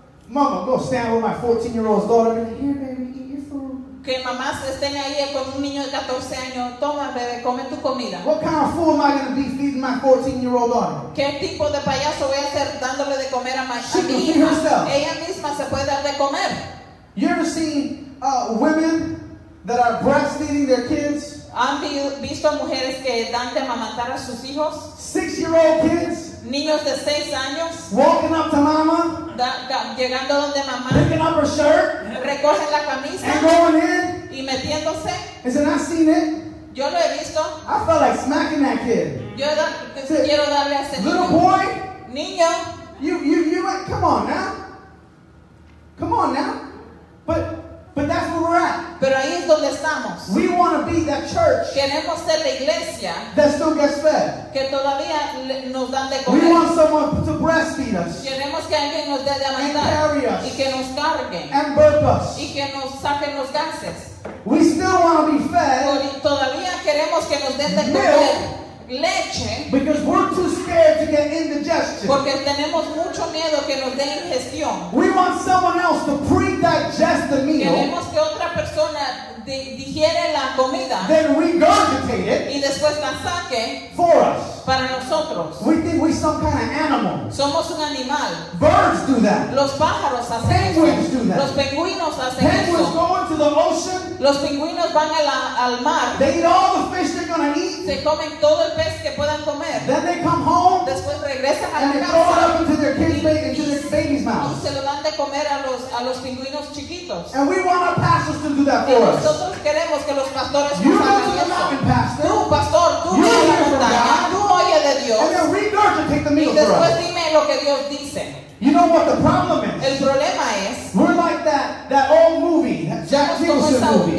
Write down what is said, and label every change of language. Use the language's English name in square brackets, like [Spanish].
[English] Mama, go stand with my 14-year-old's daughter. Here, baby, eat your food. [Spanish] Que mamás estén ahí con un niño de 14 años. Toma, bebé, come tu comida. [English] What kind of fool am I going to be feeding my 14-year-old daughter? [Spanish] ¿Qué tipo de payaso voy a ser dándole de comer a mi hija? [English] She can feed herself. [Spanish] Ella misma se puede dar de comer. [English] You ever seen women that are breastfeeding their kids? [Spanish] ¿Han visto mujeres que dan de mamantar a sus hijos? [English] 6-year-old kids. [Spanish] Niños de 6 años. [English] Walking up to mama. [Spanish] Llegando donde mamá. [English] Picking up her shirt. [Spanish] Recogen la camisa. [English] And going in. [Spanish] Y metiéndose. [English] Is it not seen it? [Spanish] Yo lo he visto. [English] I felt like smacking that kid. [Spanish] Yo quiero darle a ese niño. [English] Little boy. [Spanish] Niño. [English] You like, come on now. Come on now. But that's where we're at. [Spanish] Pero ahí es donde estamos. [English] We want to be that church. [Spanish] Queremos ser la iglesia [English] that still gets fed. [Spanish] Que todavía nos dan de comer. [English] We want someone to breastfeed us. [Spanish] Queremos que alguien nos dé de amamantar. [English] And carry us. [Spanish] Y que nos cargue. [English] And burp us. [Spanish] Y que nos saquen los gases. [English] We still want to be fed. [Spanish] Todavía queremos que nos den de comer. Leche. [English] Because we're too scared to get indigestion. [Spanish] Porque tenemos mucho miedo que nos dé ingestión. [English] We want someone else to pre-digest the meal. [Spanish] Queremos que otra persona digiere la comida. [English] Then regurgitate it. [Spanish] Y después la saque. [English] For us. [Spanish] Para nosotros. [English] We think we're some kind of animal. [Spanish] Somos un animal. [English] Birds do that. [Spanish] Los pájaros hacen eso. [English] Penguins do that. [Spanish] Los pingüinos hacen eso. [English] Penguins go into the ocean. [Spanish] Los pingüinos van al mar. [English] They eat all the fish they're gonna eat. [Spanish] Se comen todo el pez que puedan comer. [English] Then they come home. [Spanish] Después regresan a la casa. [English] And they throw it up into their kids' into their baby's mouth. [Spanish] Se lo dan de comer a los pingüinos chiquitos. [English] And we want our pastors to do that for us. [Spanish] Nosotros queremos que los pastores [English] you go to the mountain, pastor. [Spanish] Tú, pastor, tú [English] you [Spanish] vas a la montaña. Tú oye de Dios. [English] And then regurgitate the meal for us. [Spanish] Y después dime lo que Dios dice. [English] You know what the problem is? [Spanish] El problema es. [English] We're like that old movie, that Jack Nicholson movie.